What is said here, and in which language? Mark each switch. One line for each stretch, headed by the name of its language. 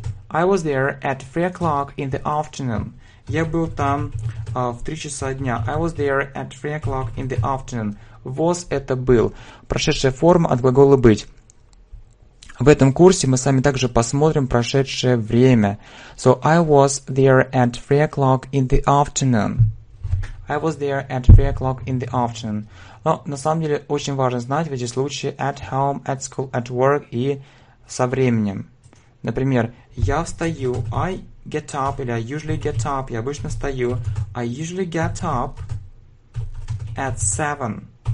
English: I was there at 3 o'clock in the afternoon.
Russian: Я был там в 3 часа дня.
English: I was there at 3 o'clock in the afternoon.
Russian: Was – это был. Прошедшая форма от глагола быть. В этом курсе мы с вами также посмотрим прошедшее время.
English: So, I was there at 3 o'clock in the afternoon. I was there at 3 o'clock in the afternoon.
Russian: Но на самом деле очень важно знать в эти случаи
English: at home, at school, at work
Russian: и со временем. Например, я встаю,
English: I get up,
Russian: или
English: I usually get up,
Russian: я обычно встаю,
English: I usually get up at 7.